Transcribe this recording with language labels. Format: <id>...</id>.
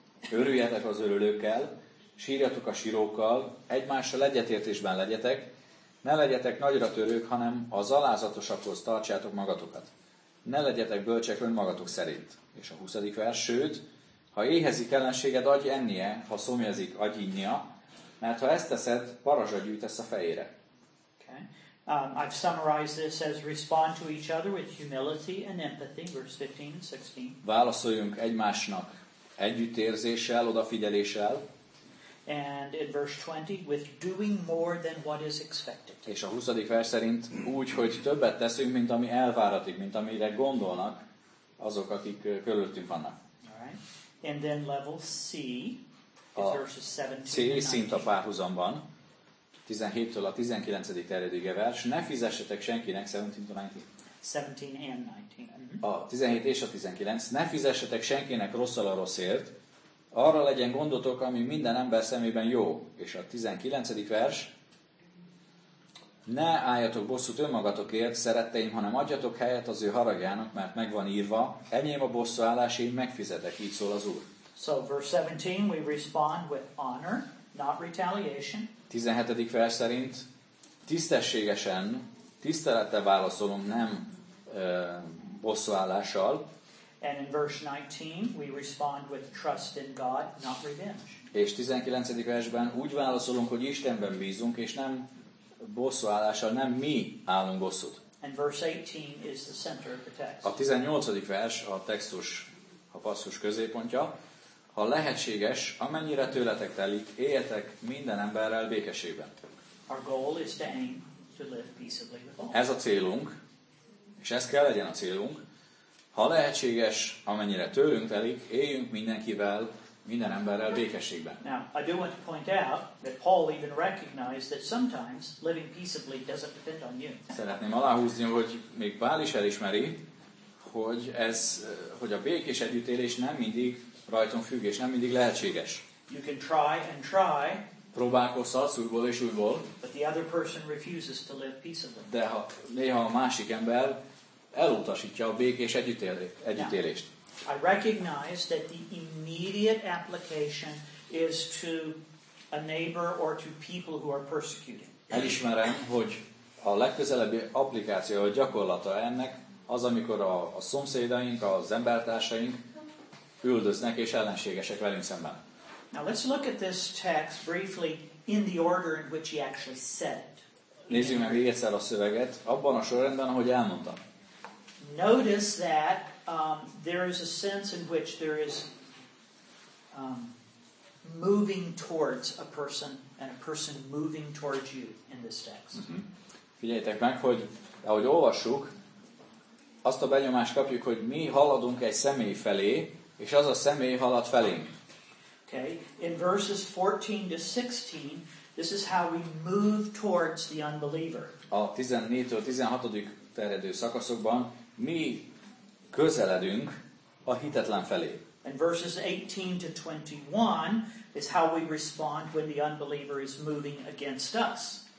<hu>Örüljetek az örülőkkel, sírjatok a sírókkal, egymással egyetértésben legyetek, ne legyetek nagyra törők, hanem az alázatosakhoz tartsátok magatokat. Ne legyetek bölcsek önmagatok szerint. És a 20. vers. Sőt, ha éhezik ellenséged, adj ennie, ha szomjazik, adj innia, mert ha ezt teszed, parazsa gyűjtesz a fejére.</hu> <en>Okay. I've summarized this as respond to each other with humility and empathy, verse 15 and 16.</en> <hu>Válaszoljunk egymásnak együttérzéssel, odafigyeléssel.</hu> <en>And in verse 20, with doing more than what is expected.</en> <hu>És a 20. vers szerint úgy, hogy többet teszünk, mint ami elváratik, mint amire gondolnak azok, akik körülöttünk vannak.</hu> <en>Alright. And then level C. A</en> <hu>C szint a párhuzamban, 17-től a 19. terjedőge vers, ne fizessetek senkinek,</hu> <en>17 and 19.</en> <hu>A 17 és a 19, ne fizessetek senkinek rosszal a rosszért, arra legyen gondotok, ami minden ember szemében jó. És a 19. vers, ne álljatok bosszút önmagatokért, szeretteim, hanem adjatok helyet az ő haragjának, mert megvan írva, enyém a bosszú állás, én megfizetek, így szól az Úr.</hu> <en>So verse 17, we respond with honor, not retaliation.</en> <hu>17. vers szerint tisztességesen, tisztelettel válaszolunk, nem bosszú állással.</hu> <en>And in verse 19, we respond with trust in God, not revenge.</en> <hu>És 19. versben úgy válaszolunk, hogy Istenben bízunk, és nem bosszú állással, nem mi állunk bosszút.</hu> <en>And verse 18 is the center of the text.</en> <hu>A 18. vers a textus, a passzus középpontja. Ha lehetséges, amennyire tőletek telik, éljetek minden emberrel békességben.</hu> <en>Our goal is to aim to live peaceably with all.</en> <hu>Ez a célunk, és ez kell legyen a célunk. Ha lehetséges, amennyire tőlünk telik, éljünk mindenkivel, minden emberrel békességben.</hu> <en>Now, I do want to point out that Paul even recognized that sometimes living peaceably doesn't depend on you.</en> <hu>Szeretném aláhúzni, hogy még Pál is elismeri, hogy ez, hogy a békés együttélés nem mindig rajtunk függ, és nem mindig lehetséges.</hu> <en>You can try and try,</en> <hu>próbálkozhatsz újból és újból,</hu> <en>but the other person refuses to live peaceably.</en> <hu>De ha néha a másik ember elutasítja a békés együttélést.</hu> <en>Now, I recognize that the immediate application is to a neighbor or to people who are persecuting.</en> <hu>Elismerem, hogy a legközelebbi applikáció, a gyakorlata ennek az, amikor a szomszédaink, az embertársaink üldöznek és ellenségesek velünk szemben.</hu> <en>Now let's look at this text briefly in the order in which he actually said it.</en> <hu>Nézzük meg egyszer a szöveget, abban a sorrendben, ahogy elmondta.</hu> <en>Notice that there is a sense in which there is moving towards a person and a person moving towards you in this text.</en> <hu>Figyeljetek meg, hogy ahogy olvassuk, azt a benyomást kapjuk, hogy mi haladunk egy személy felé, és az a személy halad felénk.</hu> <en>Okay. In verses 14 to 16, this is how we move towards the unbeliever.</en> <hu>A 14-től 16-dik terjedő szakaszokban mi közeledünk a hitetlen felé.</hu> <en>And verses 18 to 21 is how we respond when the unbeliever is moving against us.</en>